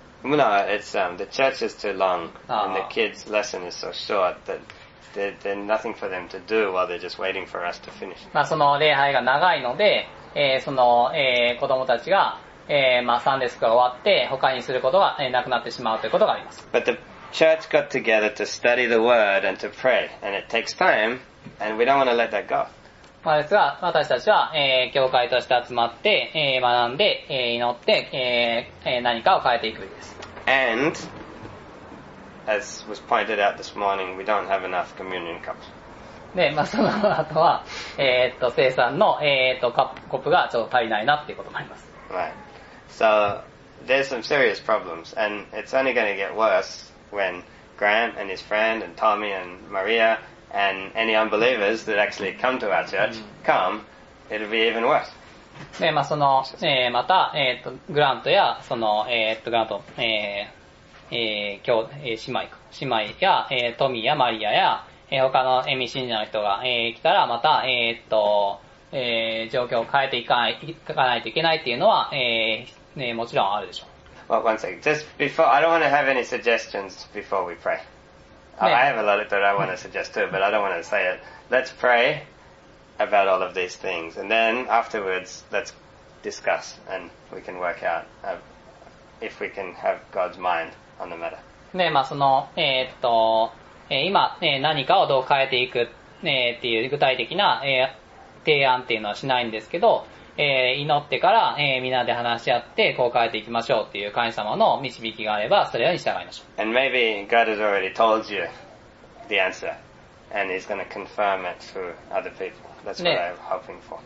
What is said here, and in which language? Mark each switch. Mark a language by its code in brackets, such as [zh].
[en] No, it's, the church is too long, and the kids' lesson is so short that there's nothing for them to do while they're just waiting for us to finish. [ja] まあ、その礼拝が長いので、その、子供たちが、まあ、サンデスクが終わって他にすることが、なくなってしまうということがあります。 [en] But the church got together to study the word and to pray, and it takes time, and we don't want to let that go. [ja] まあですが、私たちは、教会として集まって、学んで、祈って、何かを変えていくべきです。 [en] And as was pointed out this morning, we don't have enough communion cups. [ja] で、まあその後は、生産の、コップがちょっと足りないなっていうこともあります。 [en] Right. So, there's some serious problems, and it's only going to get worse when g r Grant and his friend and Tommy and Maria and any unbelievers that actually come to our church come, it'll be even worse. [ja] で、まあ、その、また、グラントや、その、グラント、姉妹か、姉妹や、トミーやマリアや、他のエミ信者の人が、来たら、また、状況を変えていかない、いかないといけないっていうのは、もちろんあるでしょう。 [en] Well, one second. Just before, I don't want to have any suggestions before we pray.、ね、I have a lot of that I want to suggest too, but I don't want to say it. Let's pray. About all of these things, and then afterwards, let's discuss, and we can work out if we can have God's mind on the matter. [ja] ね、まあ、その、今、何かをどう変えていく、っていう具体的な、提案っていうのはしないんですけど、祈ってから、みんなで話し合って、こう変えていきましょうっていう神様の導きがあれば、それに従いましょう。 [en] And maybe God has already told you the answer, and He's going to confirm it through other people. That's what I'm hoping for.